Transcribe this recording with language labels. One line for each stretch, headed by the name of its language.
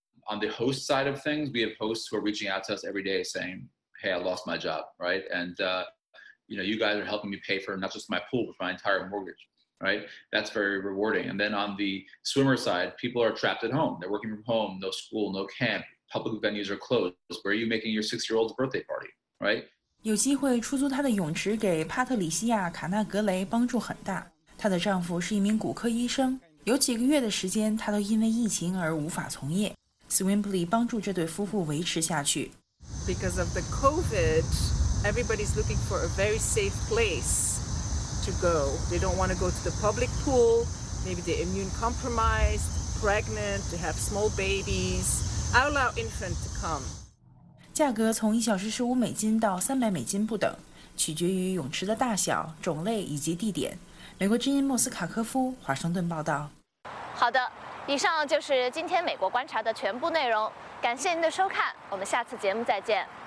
English: On the host side of things, we have hosts who are reaching out to us every day saying, "Hey, I lost my job, right? And you know, you guys are helping me pay for not just my pool, but my entire mortgage, right? That's very rewarding." And then on the swimmer side, people are trapped at home. They're working from home. No school. No camp. Public venues are closed. Where are you making your six-year-old's birthday party, right?
Chinese: 有机会出租她的泳池给帕特里西亚·卡纳格雷帮助很大。她的丈夫是一名骨科医生，有几个月的时间她都因为疫情而无法从业。 Swimply 帮助这对夫妇维持下去。
English: Because of the COVID, everybody's looking for a very safe place to go. They don't want to go to the public pool. Maybe they're immune compromised, pregnant, they have small babies. I allow infant to come.
Chinese: 价格从1小时$15到$300不等，取决于泳池的大小、种类以及地点。美国之音莫斯卡科夫华盛顿报道。好的，以上就是今天美国观察的全部内容，感谢您的收看，我们下次节目再见。